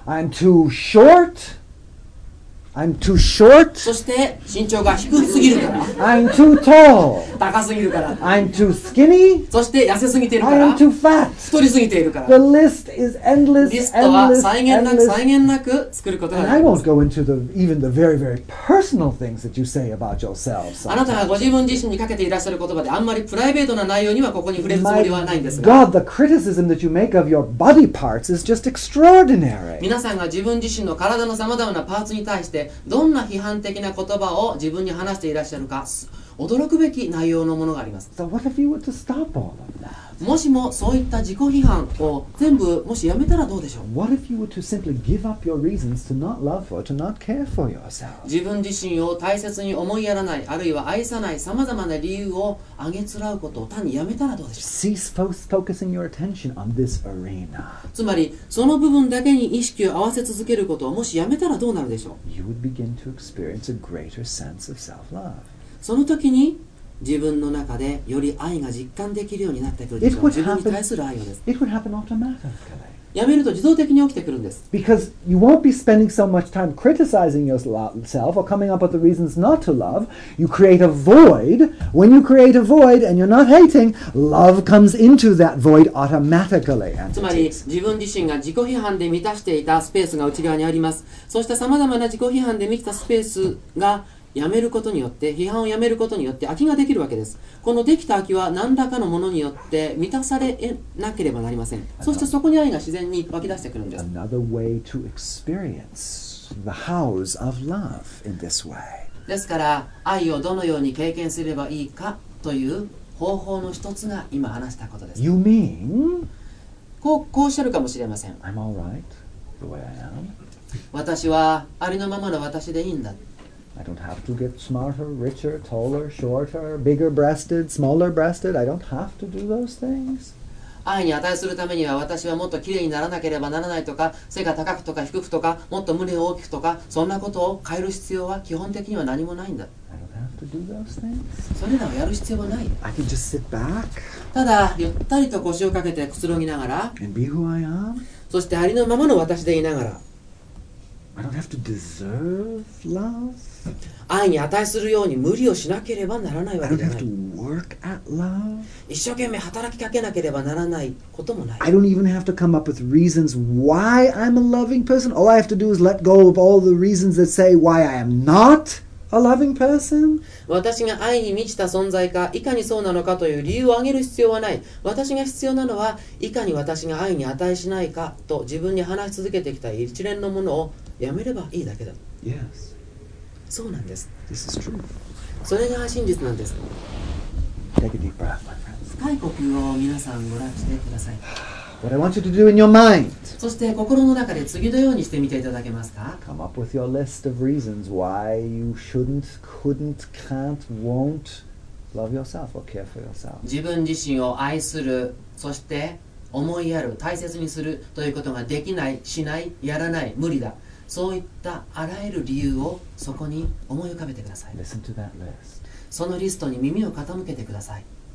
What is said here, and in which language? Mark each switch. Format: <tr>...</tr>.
<en>I'm too shortI'm too short.</en> <ja>そして身長が低すぎるから。</ja> <en>I'm too tall.</en> <ja>高すぎるから。</ja> <en>I'm too skinny.</en> <ja>そして痩せすぎているから。</ja> <en>I'm too fat.</en> <ja>太りすぎているから。</ja> <en>The list is endless.</en> <ja>リストは再現なく作ることができます。</ja> <en>And I won't go into the even the very very personal things that you say about yourself.</en> <ja>あなたがご自分自身にかけていらっしゃる言葉で、あんまりプライベートな内容にはここに触れるつもりはないんですが。</ja> <en>God, the criticism that you make of your body parts is just extraordinary.</en> <ja>皆さんが自分自身の体のさまざまなパーツに対して。どんな批判的な言葉を自分に話していらっしゃるか驚くべき内容のものがあります。</ja> <en>So what if you were to stop all of that?</en> <ja>もしもそういった自己批判を全部もしやめたらどうでしょう。</ja> <en>What if you were to simply give up your reasons to not love or to not care for yourself?</en> <ja>自分自身を大切に思いやらない、あるいは愛さない様々な理由を挙げつらうことを単にやめたらどうでしょう。</ja> <en>Cease focusing your attention on this arena.</en> <ja>つまりその部分だけに意識を合わせ続けることをもしやめたらどうなるでしょう。</ja> <en>You would begin to experience a greater sense of self-love.</en> <ja>その時に自分の中でより愛が実感できるようになってくるでしょう。自分に対する愛をです。</ja> <en>It would happen automatically.</en> <ja>やめると自動的に起きてくるんです。</ja> <en>Because you won't be spending so much time criticizing yourself or coming up with the reasons not to love. You create a void. When you create a void and you're not hating, love comes into that void automatically.</en> <ja>つまり自分自身が自己批判で満たしていたスペースが内側にあります。そうした様々な自己批判で満たスペースがやめることによって、批判をやめることによって空きができるわけです。このできた空きは何らかのものによって満たされなければなりません。そしてそこに愛が自然に湧き出してくるんです。</ja> <en>Another way to experience the house of love in this way.</en> <ja>ですから愛をどのように経験すればいいかという方法の一つが今話したことです。</ja> <en>You mean?</en> <ja>こうおっしゃるかもしれません。</ja> <en>I'm all right the way I am.</en> <ja>私はありのままの私でいいんだ。</ja> <en>I don't have to get smarter, richer, taller, shorter, bigger breasted, smaller breasted. I don't have to do those things.</en> <ja>愛に値するためには私はもっと綺麗にならなければならないとか、背が高くとか低くとか、もっと胸を大きくとか、そんなことを変える必要は基本的には何もないんだ。</ja> <en>I don't have to do those things.</en> <ja>それらをやる必要はない。</ja> <en>I can just sit back.</en> <ja>ただゆったりと腰をかけてくつろぎながら、</ja> <en>and be who I am.</en> <ja>そしてありのままの私でいながら、</ja> <en>I don't have to deserve love.</en> <ja>愛に値するように無理をしなければならないわけじゃない。</ja> <en>I don't have to work at love.</en> <ja>一生懸命働きかけなければならないこともない。</ja> <en>I don't even have to come up with reasons why I'm a loving person. All I have to do is let go of all the reasons that say why I am not a loving person.</en> <ja>私が愛に満ちた存在かいかにそうなのかという理由を挙げる必要はない。私が必要なのはいかに私が愛に値しないかと自分に話し続けてきた一連のものをやめればいいだけだ。</ja> <en>Yes.</en> <ja>そうなんです。</ja> <en>This is true.</en> <ja>それが真実なんです。</ja> <en>Take a deep breath, my friends.</en> <ja>深い呼吸を皆さんご覧してください。</ja> <en>What I want you to do in your mind.</en> <ja>そして心の中で次のようにしてみていただけますか。</ja> <en>Come up with your list of reasons why you shouldn't, couldn't, can't, won't love yourself or care for yourself.</en> <ja>自分自身を愛する、そして思いやる、大切にするということができない、しない、やらない、無理だ、そういったあらゆる理由をそこに思い浮かべてください。</ja> <en>Listen to that list.</en> <ja>そのリストに耳を傾けてください。</ja>